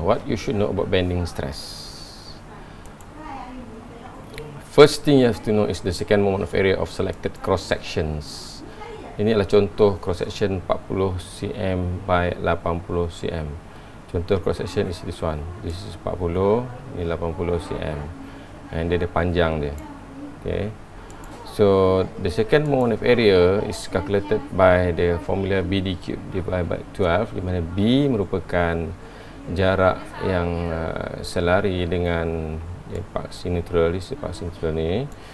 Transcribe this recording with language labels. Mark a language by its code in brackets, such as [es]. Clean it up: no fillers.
[en] What you should know about bending stress. First thing you have to know is the second moment of area of selected cross sections. [ms] Ini adalah contoh cross section 40 cm by 80 cm. [en] Contoh cross section is this one. This is 40, [ms] ini 80 cm. And dia ada panjang dia. Okay. [en] So the second moment of area is calculated by the formula BD cube divided by 12, [ms] di mana B merupakan jarak yang selari dengan paksi neutral. [en] This is paksi neutral ni.